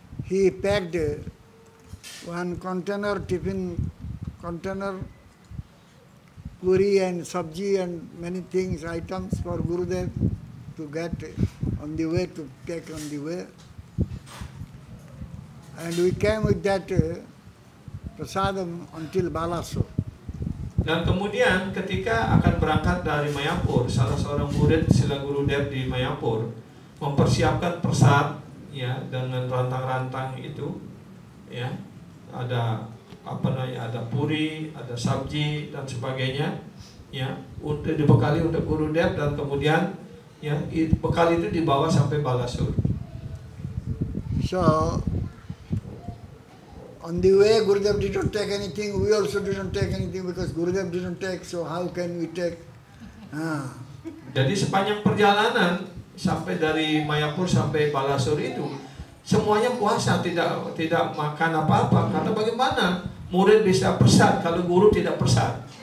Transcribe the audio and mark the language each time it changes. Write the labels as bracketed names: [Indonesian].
[English] He packed one container, tiffin container, puri and sabji and many things, items for Gurudev to get on the way, to take on the way. And we came with that prasadam until Balasore. [Indonesian] Dan kemudian ketika akan berangkat dari Mayapur, salah seorang murid Sila Gurudev di Mayapur mempersiapkan prasad, ya, dengan rantang-rantang itu, ya, ada apa namanya, ada puri, ada sabji dan sebagainya, ya, untuk dibekali untuk Gurudev dan kemudian, ya, bekal itu dibawa sampai Balasore. [English] So, on the way, Gurudev did not take anything, we also did not take anything because Gurudev did not take, so how can we take? [Indonesian] Jadi sepanjang perjalanan sampai dari Mayapur sampai Balasore itu, semuanya puasa, tidak makan apa-apa, karena bagaimana murid bisa pesat kalau guru tidak pesat?